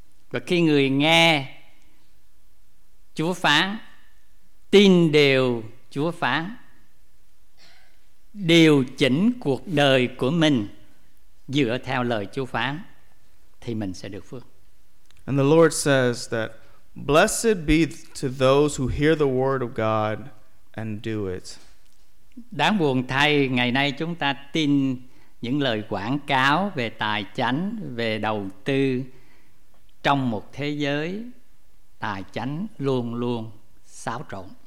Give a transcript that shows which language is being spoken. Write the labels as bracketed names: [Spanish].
[Vietnamese] Và khi người nghe Chúa phán, tin điều Chúa phán, điều chỉnh cuộc đời của mình dựa theo lời Chúa phán, thì mình sẽ được phước. [English] And the Lord says that blessed be to those who hear the word of God and do it. [Vietnamese] Đáng buồn thay, ngày nay chúng ta tin những lời quảng cáo về tài chánh, về đầu tư trong một thế giới tài chánh luôn luôn xáo trộn.